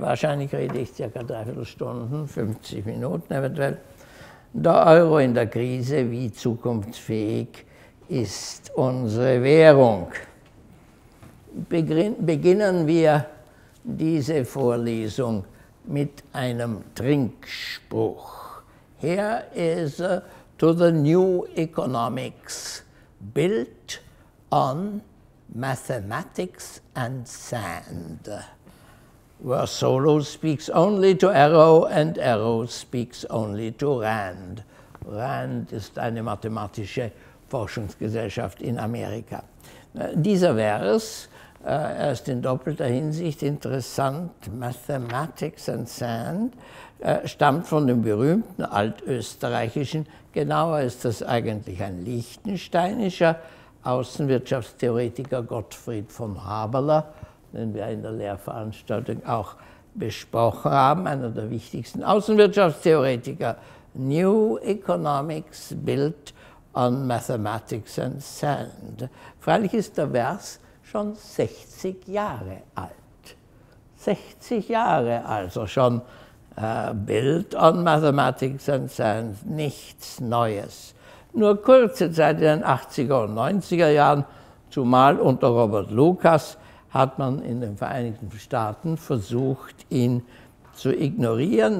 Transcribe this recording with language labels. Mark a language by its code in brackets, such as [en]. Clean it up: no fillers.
[de] Wahrscheinlich rede ich circa 3/4 Stunden, 50 Minuten eventuell. Der Euro in der Krise, wie zukunftsfähig ist unsere Währung? Beginnen wir diese Vorlesung mit einem Trinkspruch. [en] Here is to the new economics built on mathematics and sand, where Solow speaks only to Arrow and Arrow speaks only to Rand. [de] Rand ist eine mathematische Forschungsgesellschaft in Amerika. Dieser Vers, er ist in doppelter Hinsicht interessant, [en] Mathematics and Sand, [de] stammt von dem berühmten altösterreichischen, genauer ist das eigentlich ein liechtensteinischer Außenwirtschaftstheoretiker Gottfried von Haberler, den wir in der Lehrveranstaltung auch besprochen haben, einer der wichtigsten Außenwirtschaftstheoretiker. [en] New Economics built on Mathematics and Sand. [de] Freilich ist der Vers schon 60 Jahre alt. 60 Jahre also schon. [en] Built on Mathematics and Sand, [de] nichts Neues. Nur kurze Zeit in den 80er und 90er Jahren, zumal unter Robert Lucas, hat man in den Vereinigten Staaten versucht, ihn zu ignorieren.